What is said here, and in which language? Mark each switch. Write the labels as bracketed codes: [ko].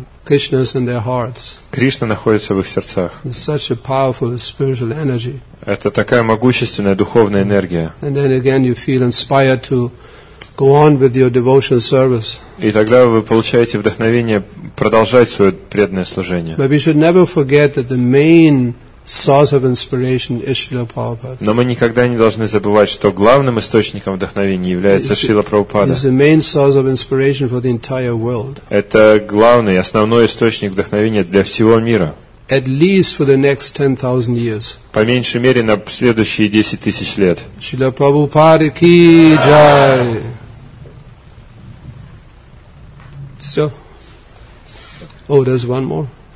[en] Krishna is in their hearts. [ru] Кришна находится в их сердцах. [en] It's such a powerful spiritual energy. [ru] Это такая могущественная духовная энергия. [en] And then again you feel inspired to go on with your devotional service. [ru] И тогда вы получаете вдохновение продолжать свое преданное служение. [en] But we should never forget that the main source of inspiration is Srila Prabhupada. [ru] Но мы никогда не должны забывать, что главным источником вдохновения является Шрила Прабхупада. [en] It's the main source of inspiration for the entire world. [ru] Это главный, основной источник вдохновения для всего мира. [en] At least for the next 10,000 years. [ru] По меньшей мере на следующие 10,000 лет. [hi] Шрила Прабхупада ки джай. [ru] Все. [en] Oh, there's one more.